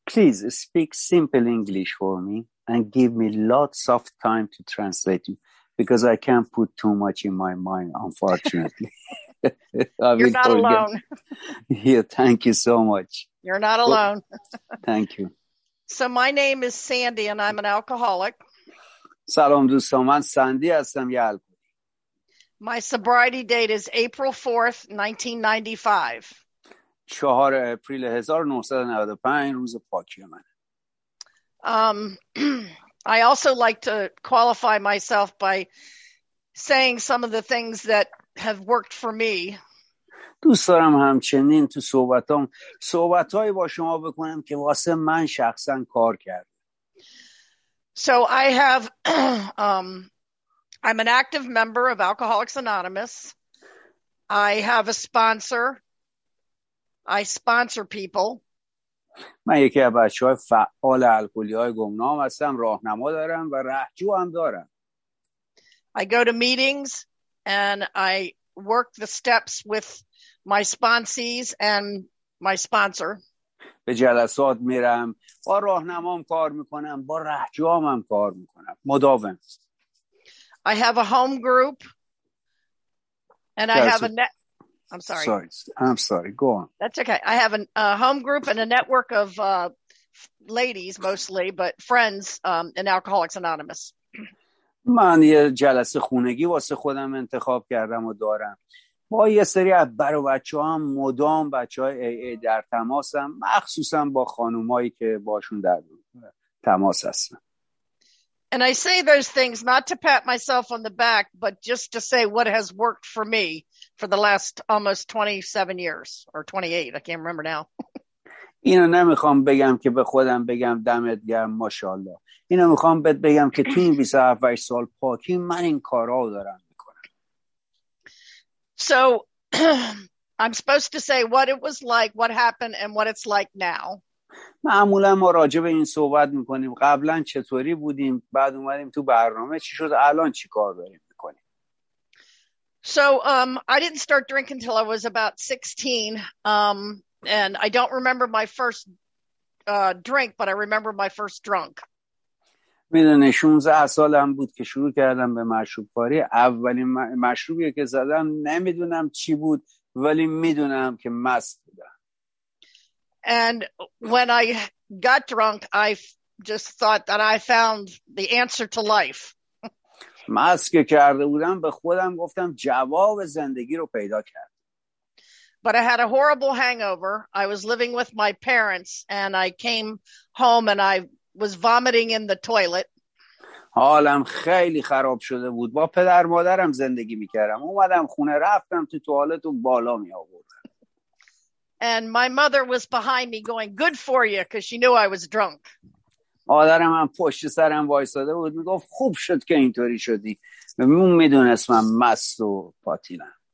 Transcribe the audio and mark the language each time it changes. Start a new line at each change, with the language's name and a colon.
English: Please speak simple English for me and give me lots of time to translate you because I can't put too much in my mind, unfortunately. You're not alone. Yeah, thank you so much. You're not alone. Thank you. So my name is Sandy and I'm an alcoholic.
Persian: سلام دوستان، من سندی هستم، یه الکلی.
English: My sobriety date is April 4th, 1995.
Persian: 4 اپریل 1995 روز پاکی من.
English: I also like to qualify myself by saying some of the things that have worked for me.
Persian: دوست دارم همچنین تو صحبتام صحبتهایی با شما بکنم که واسه من شخصا کار کرد.
English: So I have, I'm an active member of Alcoholics Anonymous. I have a sponsor. I sponsor people.
Persian: من یکی از بچه های فعال الکلی های گمنام هستم، راهنما دارم و رهجو هم دارم.
English: I go to meetings and I work the steps with my sponsees and my sponsor.
Persian: به جلسات میرم، با راهنمام کار میکنم، با رهجوامم کار میکنم مداوم.
English: I have a home group and I have a net. I'm sorry, go on. That's okay. I have a home group and a network of ladies mostly, but friends in Alcoholics Anonymous.
Persian: من یه جلسه خونگی واسه خودم انتخاب کردم و دارم. با یه سری از بر و بچه هم مدام بچه های ای ای در تماس هم، مخصوصا با خانوم هایی که باشون در تماس هستم.
English: And I say those things not to pat myself on the back, but just to say what has worked for me for the last almost 27 years, or 28, I can't remember now.
Persian: اینو نمیخوام بگم که به خودم بگم دمت گرم ماشاءالله. اینو میخوام بهت بگم که تو این 27 سال پاکی من این کارا رو دارم میکنم.
English: So I'm supposed to say what it was like, what happened and what it's like now.
Persian: معمولا ما راجع به این صحبت میکنیم، قبلا چطوری بودیم، بعد اومدیم تو برنامه چی شد، الان چی کار داریم میکنیم.
English: So I didn't start drinking until I was about 16. And I don't remember my first drink, but I remember my first drunk.
Persian: میدونی 16 سالم بود که شروع کردم به مشروب خوری. اولین مشروبی که زدم نمیدونم چی بود، ولی میدونم که مست بودم.
English: And when I got drunk, I just thought that I found the answer to life.
Persian: مست که کرده بودم به خودم گفتم جواب زندگی رو پیدا کردم.
English: But I had a horrible hangover. I was living with my parents and I came home and I was vomiting in the toilet.
Persian: حالم خیلی خراب شده بود. با پدر مادرم زندگی می‌کردم. اومدم خونه، رفتم تو توالت و بالا می آوردم.
English: And my mother was behind me going, "Good for you," because she knew I was drunk.
Persian: مادرم هم پشت سرم وایساده بود، میگفت خوب شد که اینطوری شدی. من میدونستم مست و پاتیلم.